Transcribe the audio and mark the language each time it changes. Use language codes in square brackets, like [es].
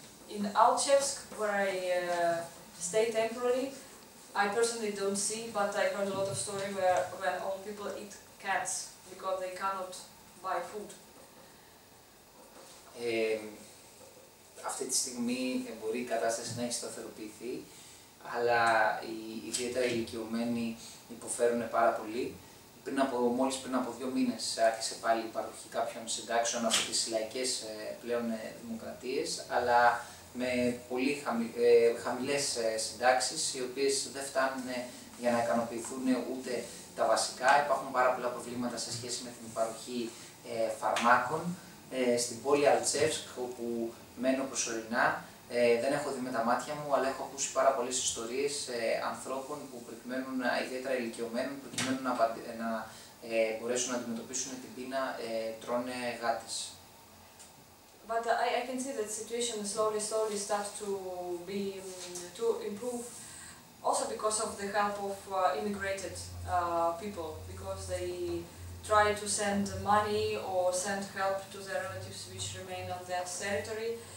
[en] In Alchevsk, where I stay temporarily, I personally don't see, but I heard a lot of stories where when old people eat cats because they cannot buy food. [el] Αυτή τη στιγμή μπορεί η κατάσταση να έχει σταθεροποιηθεί, αλλά ιδιαίτερα οι ηλικιωμένοι υποφέρουν πάρα πολύ. Μόλις πριν από 2 μήνες άρχισε πάλι η παροχή κάποιων συντάξεων από τις λαϊκές πλέον δημοκρατίες, αλλά με πολύ χαμηλές συντάξεις, οι οποίες δεν φτάνουν για να ικανοποιηθούν ούτε τα βασικά. Υπάρχουν πάρα πολλά προβλήματα σε σχέση με την παροχή φαρμάκων. Στην πόλη Αλτσεύσκ, όπου μένω προσωρινά, δεν έχω δει με τα μάτια μου, αλλά έχω ακούσει πάρα πολλές ιστορίες ανθρώπων που προκειμένου, ιδιαίτερα ηλικιωμένων, προκειμένου να μπορέσουν να αντιμετωπίσουν την πείνα, τρώνε γάτες. [en] But I can see that the situation slowly starts to improve, also because of the help of immigrated people, because they try to send money or send help to their relatives which remain on their territory.